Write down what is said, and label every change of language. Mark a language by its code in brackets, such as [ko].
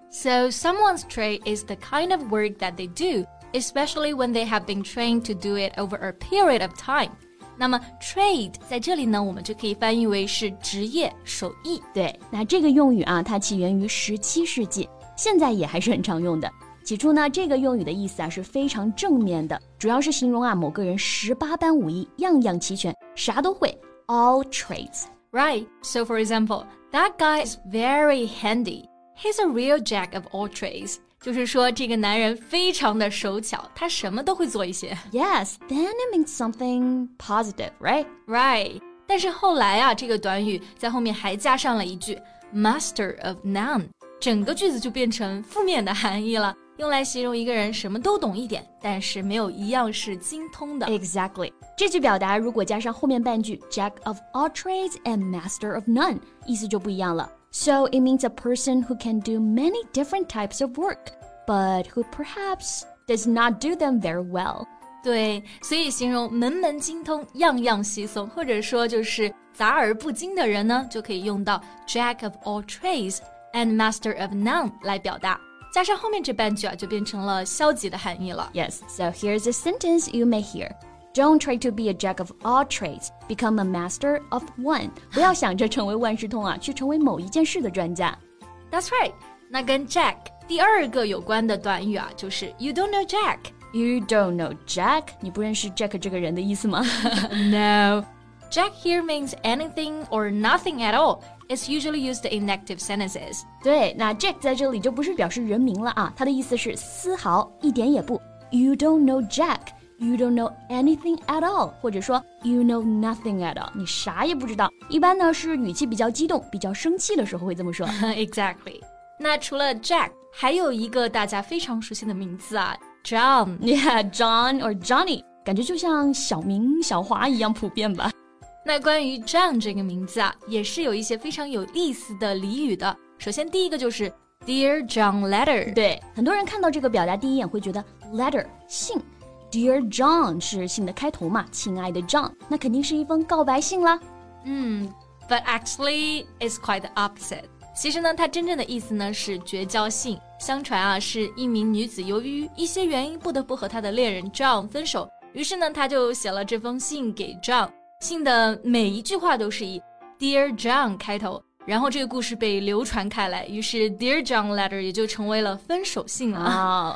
[en] So someone's trade is the kind of work that they do,especially when they have been trained to do it over a period of time. [zh] 那么 trade 在这里呢，我们就可以翻译为是职业、手艺。对，那这个用语啊，它起源于17世纪，现在也还是很常用的。起初呢，这个用语的意思啊是非常正面的，主要是形容啊某个人18般武艺，样样齐全，啥都会 , [en] all trades. Right, so for example, that guy is very handy. He's a real jack of all trades. [zh] 就是说这个男人非常的手巧，他什么都会做一些。 [en] Yes, then it means something positive, right? Right. [zh] 但是后来啊，这个短语在后面还加上了一句 [en] master of none, [zh] 整个句子就变成负面的含义了，用来形容一个人什么都懂一点，但是没有一样是精通的。 [en] Exactly. [zh] 这句表达如果加上后面半句 [en] jack of all trades and master of none, [zh] 意思就不一样了。 [en] So it means a person who can do many different types of work, but who perhaps does not do them very well. [zh] 对，所以形容门门精通，样样稀松，或者说就是杂而不精的人呢，就可以用到 [en] Jack of all trades and master of none [zh] 来表达。加上后面这半句啊，就变成了消极的含义了。 [en] Yes, so here's a sentence you may hear. Don't try to be a jack of all trades. Become a master of one. [zh] 不要想着成为万事通啊，去成为某一件事的专家。 [en] That's right. [zh] 那跟 Jack 第二个有关的短语啊，就是 [en] You don't know Jack. You don't know Jack. [zh] 你不认识 Jack 这个人的意思吗？ [en] No. Jack here means anything or nothing at all. It's usually used in negative sentences. [zh] 对，那 Jack 在这里就不是表示人名了啊，他的意思是丝毫，一点也不。 [en] You don't know Jack. You don't know anything at all, [zh] 或者说 [en] you know nothing at all, [zh] 你啥也不知道。一般呢是语气比较激动、比较生气的时候会这么说。 [en] Exactly. [zh] 那除了 Jack, 还有一个大家非常熟悉的名字啊 John. [en] Yeah, John or Johnny, [zh] 感觉就像小明、小华一样普遍吧。那关于 John 这个名字啊，也是有一些非常有意思的俚语的。首先第一个就是 Dear John Letter. 对，很多人看到这个表达第一眼会觉得 letter, 信。 Dear John 是信的开头嘛，亲爱的 John, 那肯定是一封告白信啦。 [en] But actually, it's quite the opposite. [zh] 其实呢，它真正的意思呢是绝交信。相传啊，是一名女子由于一些原因不得不和她的恋人 John 分手，于是呢，她就写了这封信给 John。信的每一句话都是以 Dear John 开头，然后这个故事被流传开来，于是 Dear John letter 也就成为了分手信了。